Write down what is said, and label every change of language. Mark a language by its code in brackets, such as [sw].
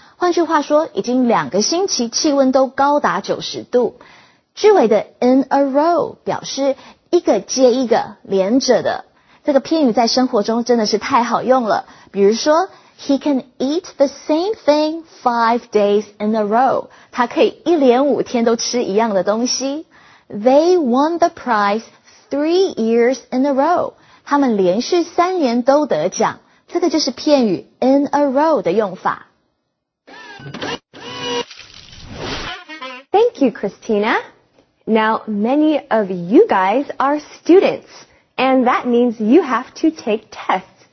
[zh] 换句话说，已经两个星期气温都高达90度。句尾的 in a row 表示一个接一个连着的，这个片语在生活中真的是太好用了。比如说 [en] He can eat the same thing 5 days in a row. [zh] 他可以一连五天都吃一样的东西。 [en] They won the prize 3 years in a row. [zh] 他们连续三年都得奖。这个就是片语 in a row 的用法。 [en] Thank you, Christina. Now, many of you guys are students, and that means you have to take tests.